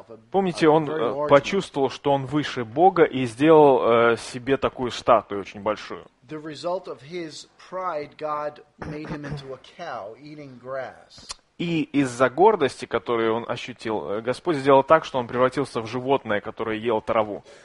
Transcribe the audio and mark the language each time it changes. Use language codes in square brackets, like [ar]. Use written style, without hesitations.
[ru] Помните, он почувствовал, что он выше Бога и сделал себе такую статую очень большую. [en] The result of his pride, God made him into a cow, eating grass. [ru] И из-за гордости, которую он ощутил, Господь сделал так, что он превратился в животное, которое ел траву.